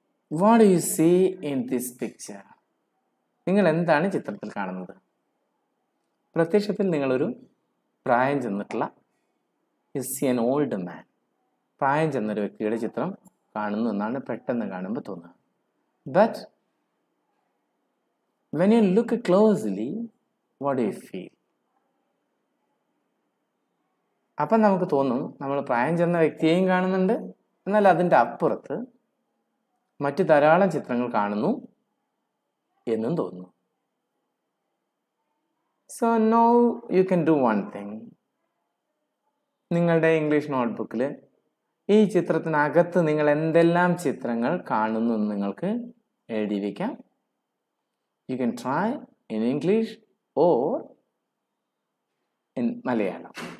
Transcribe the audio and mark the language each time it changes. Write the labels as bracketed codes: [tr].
[en] what you see in this picture, [ml] നിങ്ങൾ എന്താണ് ചിത്രത്തിൽ കാണുന്നത്? പ്രത്യക്ഷത്തിൽ നിങ്ങളൊരു പ്രായം ചെന്നിട്ടുള്ള, [en] you see an old man, [ml] പ്രായം ചെന്നൊരു വ്യക്തിയുടെ ചിത്രം കാണുന്നു എന്നാണ് പെട്ടെന്ന് കാണുമ്പോൾ തോന്നുന്നത്. [en] But when you look closely, what do you feel? [ml] അപ്പം നമുക്ക് തോന്നും നമ്മൾ പ്രായം ചെന്ന വ്യക്തിയെയും കാണുന്നുണ്ട്, എന്നാൽ അതിൻ്റെ അപ്പുറത്ത് മറ്റ് ധാരാളം ചിത്രങ്ങൾ കാണുന്നു എന്നും തോന്നുന്നു. [en] So now you can do one thing. [ml] നിങ്ങളുടെ ഇംഗ്ലീഷ് നോട്ട്ബുക്കിൽ ഈ ചിത്രത്തിനകത്ത് നിങ്ങൾ എന്തെല്ലാം ചിത്രങ്ങൾ കാണുന്നു എന്ന് നിങ്ങൾക്ക് എഴുതി വയ്ക്കാം. [en] You can try in English or in Malayalam.